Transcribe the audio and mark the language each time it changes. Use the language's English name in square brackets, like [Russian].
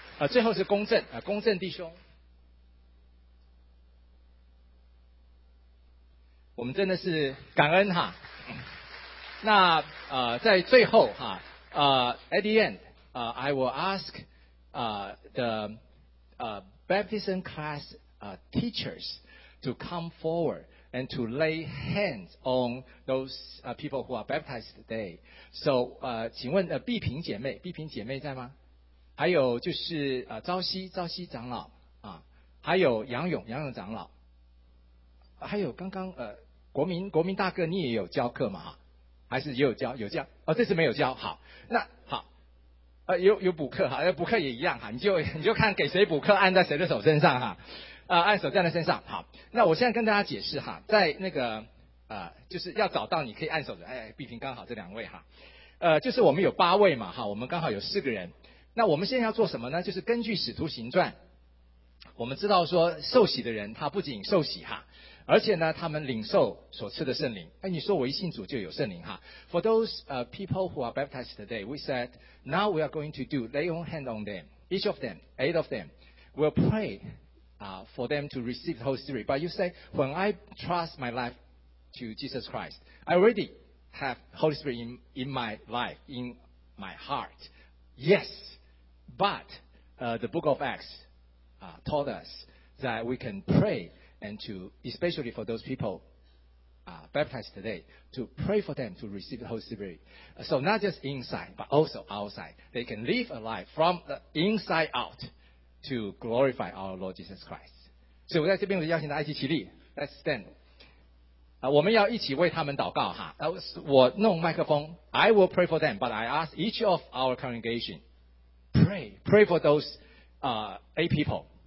[Chinese] 最后是公正，公正弟兄，我们真的是感恩哈。那在最后哈， [English] at the end, I will ask the baptism class teachers to come forward. And to lay hands on those people who are baptized today. [Chinese] So, 请问碧萍姐妹在吗？还有就是朝夕长老啊，还有杨勇长老，还有刚刚国民大哥，你也有教课吗？还是也有教？有教？这次没有教。好，那好，有补课哈，补课也一样哈，你就看给谁补课，按在谁的手身上哈。按手在他身上。好，那我现在跟大家解释哈，在那个就是要找到你可以按手的，碧萍刚好这两位哈，就是我们有八位嘛哈，我们刚好有四个人。那我们现在要做什么呢？就是根据使徒行传，我们知道说受洗的人他不仅受洗哈，而且呢他们领受所赐的圣灵。你说我一信主就有圣灵哈。 [English] For those people who are baptized today, we said now we are going to do lay on hand on them, each of them, eight of them will prayfor them to receive the Holy Spirit. But you say, when I trust my life to Jesus Christ, I already have Holy Spirit in my life, in my heart. Yes, but the book of Acts taught us that we can pray, and to, especially for those people baptized today, to pray for them to receive the Holy Spirit. So not just inside, but also outside. They can live a life from the inside out. To glorify our Lord Jesus Christ. [Chinese] 所以我在这边邀请大家一起起立 [English] ，Let's stand。 [Chinese] 我们要一起为他们祷告哈。我弄麦克风 [English] ，I will pray for them, but I ask each of our congregation pray for those eight people.